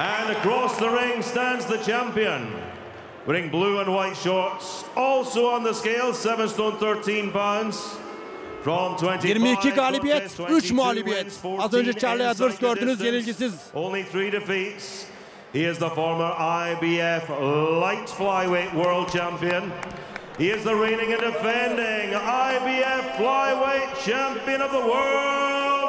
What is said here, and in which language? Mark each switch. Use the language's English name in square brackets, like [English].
[English] Across the ring stands the champion, wearing blue and white shorts, also on the scale, 7 stone 13 pounds, from [Turkish] 22 galibiyet, 3 mağlubiyet, az önce Charlie Edwards gördünüz, yenilgisiz. [English] Only 3 defeats, he is the former IBF light flyweight world champion, he is the reigning and defending IBF flyweight champion of the world.